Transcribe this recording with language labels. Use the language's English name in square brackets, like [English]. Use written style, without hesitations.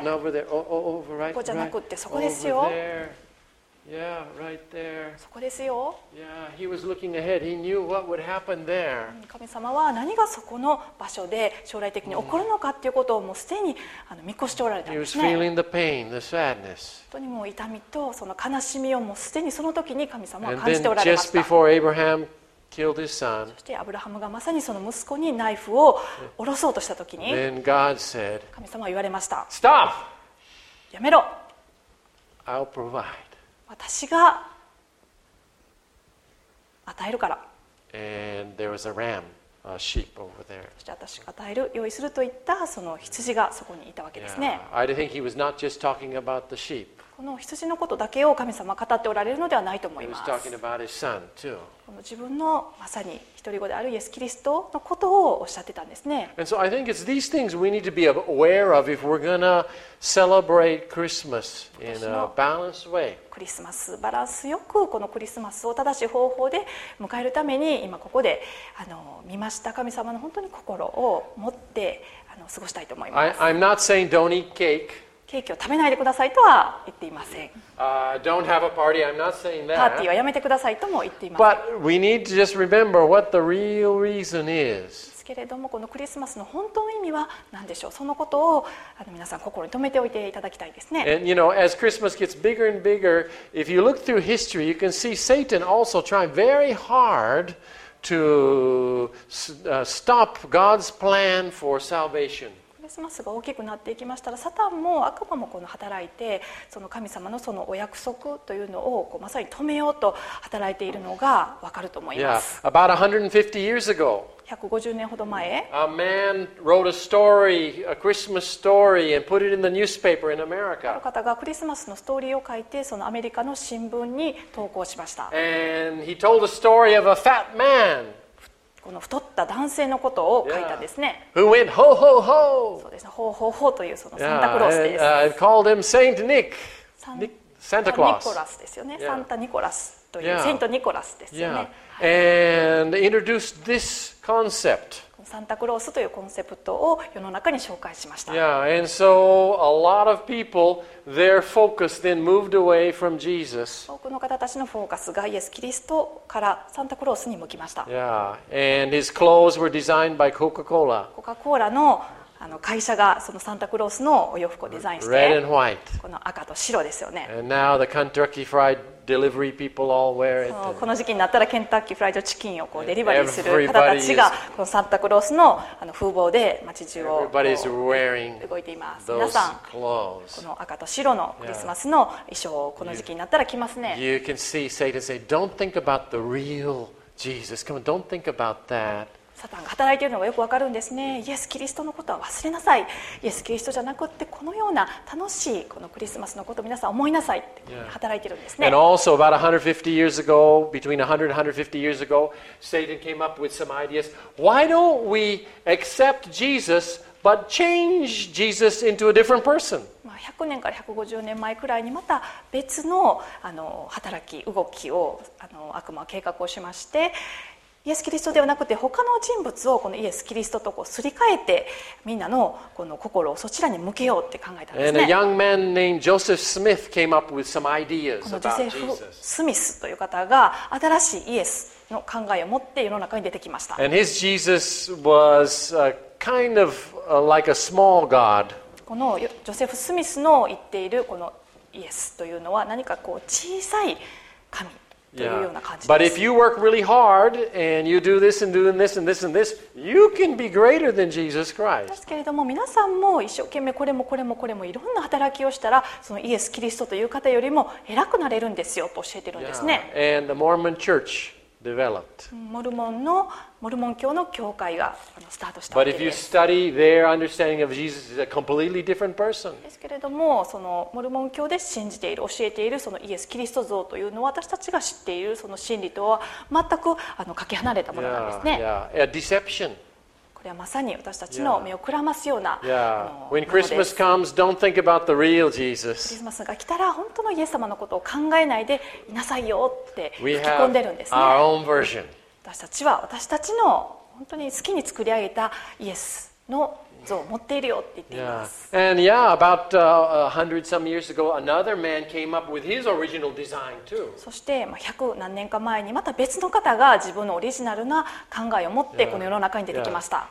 [Japanese] ここじゃなくてそこですよ。 [English] Yeah, right there. [Japanese] そこですよ。 [English] Yeah, he was looking ahead. He knew what would happen there. [Japanese] 神様は何がそこの場所で将来的に起こるのかということをもうすでに見越しておられたんですね。 [English] He was feeling the pain, the sadness. [Japanese] 本当にもう痛みとその悲しみをもうすでにその時に神様は感じておられました。 [English] And then just before Abraham killed his son, [Japanese] そしてアブラハムがまさにその息子にナイフを下ろそうとした時に、 [English] Then God said, [Japanese] 神様は言われました。 [English] Stop! [Japanese] やめろ。 [English] I'll provide. [Japanese] 私が与えるから。 [English] And there was a ram, a sheep over there. [Japanese] そして私が与える、用意するといったその羊がそこにいたわけですね。 [English] Yeah. I think he was not just talking about the sheep. [Japanese] この羊のことだけを神様は語っておられるのではないと思います。 [English] He was talking about his son too. [Japanese] この自分のまさに一人子であるイエス・キリストのことをおっしゃってたんですね。 [English] And so I think it's these things we need to be aware of if we're gonna celebrate Christmas in a balanced way. [Japanese] クリスマスバランスよくこのクリスマスを正しい方法で迎えるために今ここで見ました神様の本当に心を持って過ごしたいと思います。 [English] I'm not saying don't eat cake. [Japanese] ケーキを食べないでくださいとは言っていません。 [English] Don't have a party. I'm not saying that. [Japanese] パーティーはやめてくださいとも言っていません。 [English] But we need to just remember what the real reason is. [Japanese] ですけれども、このクリスマスの本当の意味は何でしょう。そのことを皆さん心に留めておいていただきたいですね。 [English] And you know, as Christmas gets bigger and bigger, if you look through history, you can see Satan also trying very hard to stop God's plan for salvation. [Japanese] クリスマスが大きくなっていきましたら、サタンも悪魔もこの働いて、その神様のそのお約束というのをこうまさに止めようと働いているのがわかると思います。 [English] Yeah, about 150 years ago, [Japanese] 150年ほど前、 [English] a man wrote a story, a Christmas story, and put it in the newspaper in America. [Japanese] ある方がクリスマスのストーリーを書いて、そのアメリカの新聞に投稿しました。 [English] And he told the story of a fat man. [Japanese] この太った男性のことを書いたんですね。 [English] Yeah. Who went ho ho ho? [Japanese] そうですね。 ho ho ho というそのサンタクロースです。 [English] Yeah. And, called him Saint Nick. Santa Claus. [Japanese] サンタニコラスですよね。サンタニコラスという、yeah. セントニコラスですよね。 [English] Yeah. And introduced this concept. [Japanese] サンタクロースというコンセプトを世の中に紹介しました。 [English] Yeah. And so a lot of people, their focus then moved away from Jesus. [Japanese] 多くの方たちのフォーカスがイエス・キリストからサンタクロースに向きました。 [English] Yeah. And his clothes were designed by Coca-Cola. [Japanese] コカ・コーラの会社がそのサンタクロースのお洋服をデザインして、 [English] Red and white. [Japanese] この赤と白ですよね。 [English] And now the Kentucky Fried Delivery people all wear it. [Japanese] そう、この時期になったらケンタッキーフライドチキンをこうデリバリーする方たちがこのサンタクロースの風貌で街中を動いています。皆さん、この赤と白のクリスマスの衣装をこの時期になったら着ますね。 [English] You can see Satan say, "Don't think about the real Jesus. Come on, don't think about that." [Japanese] サタンが働いているのがよくわかるんですね。イエス・キリストのことは忘れなさい。イエス・キリストじゃなくってこのような楽しいこのクリスマスのことを皆さん思いなさいって働いているんですね。 [English] And also about 150 years ago, between 100 and 150 years ago, Satan came up with some ideas. Why don't we accept Jesus but change Jesus into a different person? [Japanese] 100年から150年前くらいにまた別の働き、動きを悪魔は計画をしまして、イエス・キリストではなくて他の人物をこのイエス・キリストとこうすり替えてみんな この心をそちらに向けようって考えたんですね。 [English] And a young man named Joseph Smith came up with some ideas about Jesus. [Japanese] このジョセフ・スミスという方が新しいイエスの考えを持って世の中に出てきました。 [English] And his Jesus was a kind of like a small god. [Japanese] このジョセフ・スミスの言っているこのイエスというのは何かこう小さい神Yeah. [English] But if you work really hard and you do this and doing this and this and this, you can be greater than Jesus Christ. [Japanese] ですけれども、皆さんも一生懸命これもこれもこれもいろんな働きをしたら、そのイエス・キリストという方よりも偉くなれるんですよと教えてるんですね。 [English] Yeah. And the Mormon Church developed. [Japanese] モルモン教の教会がスタートしたわけです。 [English] But if you study their understanding of Jesus, it's a completely different person. [Japanese] ですけれども、そのモルモン教で信じている、教えているそのイエス・キリスト像というのは、私たちが知っているその真理とは全くかけ離れたものなんですね。 [English] Yeah, yeah. A deception. [Japanese] いやまさに私たちの目をくらますような、 [English] When Christmas comes, don't think about the real Jesus. [Japanese] クリスマスが来たら本当のイエス様のことを考えないでいなさいよって吹き込んでるんですね。 [English] We have our own version. [Japanese] 私たちは私たちの本当に好きに作り上げたイエスの像を持っているよって言っています。 [English] Yeah. And yeah, about a hundred some years ago, another man came up with his original design too. [Japanese] そして、まあ百何年か前にまた別の方が自分のオリジナルな考えを持ってこの世の中に出てきました。